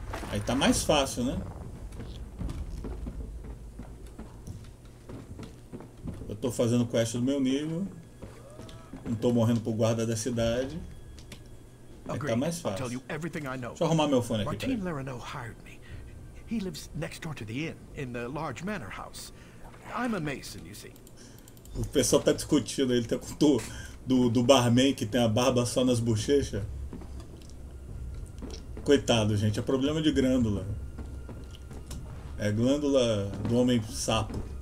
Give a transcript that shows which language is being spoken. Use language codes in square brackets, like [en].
[pt] Aí tá mais fácil, né? Eu tô fazendo quest do meu nível. Não tô morrendo pro guarda da cidade. Aí tá mais fácil. Deixa eu arrumar meu fone aqui. [en] Martin Larino hired me. He lives next door to the inn, in the large manor house. I'm a mason, you see. [pt] O pessoal tá discutindo, ele tá com do barman que tem a barba só nas bochechas. Coitado, gente, é problema de glândula. É glândula do homem sapo.